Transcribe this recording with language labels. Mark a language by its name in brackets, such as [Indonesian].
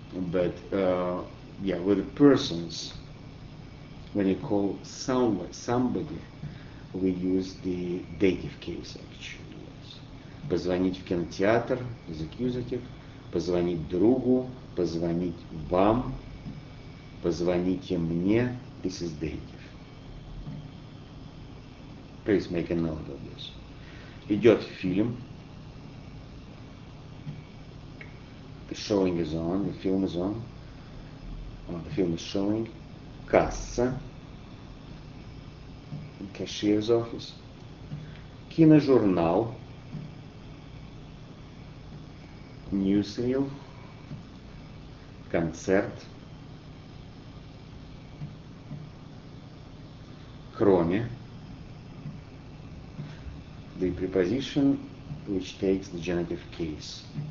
[English] But yeah, with persons, when you call somebody, we use the dative case actually. [Russian] Позвонить в кинотеатр [English] is accusative. [Russian] Позвонить другу, позвонить вам, позвоните мне, [English] this is dative. Please make a note of this. [Russian] Идет фильм. [English] The showing is on, the film is on, the film is showing, касса, cashier's office, киножурнал, newsreel, концерт, кроме, the preposition which takes the genitive case.